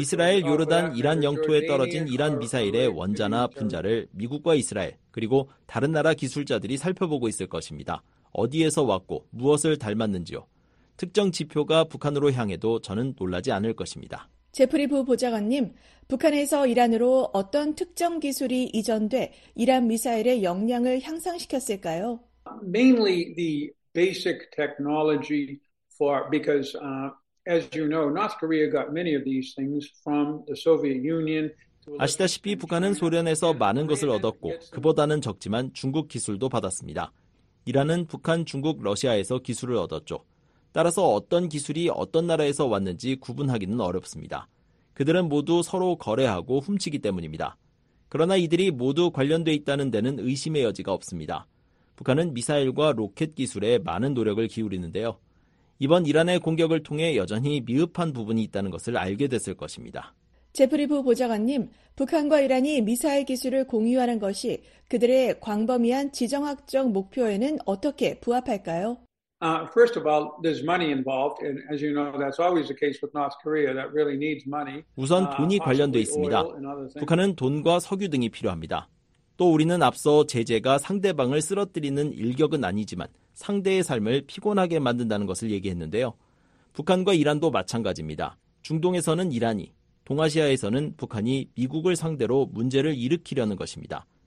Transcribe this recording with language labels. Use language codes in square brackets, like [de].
[ko] 이스라엘, 요르단, 이란 영토에 떨어진 이란 미사일의 원자나 분자를 미국과 이스라엘 그리고 다른 나라 기술자들이 살펴보고 있을 것입니다. 어디에서 왔고 무엇을 닮았는지요. 특정 지표가 북한으로 향해도 저는 놀라지 않을 것입니다. 제프리 부 보좌관님, 북한에서 이란으로 어떤 특정 기술이 이전돼 이란 미사일의 역량을 향상시켰을까요? [en] Mainly the basic technology for because as you know, North Korea got many of these things from the Soviet Union. [ko] 아시다시피 북한은 소련에서 많은 것을 얻었고 그보다는 적지만 중국 기술도 받았습니다. 이란은 북한, 중국, 러시아에서 기술을 얻었죠. 따라서 어떤 기술이 어떤 나라에서 왔는지 구분하기는 어렵습니다. 그들은 모두 서로 거래하고 훔치기 때문입니다. 그러나 이들이 모두 관련돼 있다는 데는 의심의 여지가 없습니다. 북한은 미사일과 로켓 기술에 많은 노력을 기울이는데요. 이번 이란의 공격을 통해 여전히 미흡한 부분이 있다는 것을 알게 됐을 것입니다. 제프리 부 보좌관님, 북한과 이란이 미사일 기술을 공유하는 것이 그들의 광범위한 지정학적 목표에는 어떻게 부합할까요? [en] First of all, there's money involved, and as you know, that's always the case with North Korea that really needs money. [ko] 우선 돈이 관련돼 있습니다. 북한은 돈과 석유 등이 필요합니다. 또 우리는 앞서 제재가 상대방을 쓰러뜨리는 일격은 아니지만 상대의 삶을 피곤하게 만든다는 것을 얘기했는데요. 북한과 이란도 마찬가지입니다. 중동에서는 이란이, 동아시아에서는 북한이 미국을 상대로 문제를 일으키려는 것입니다.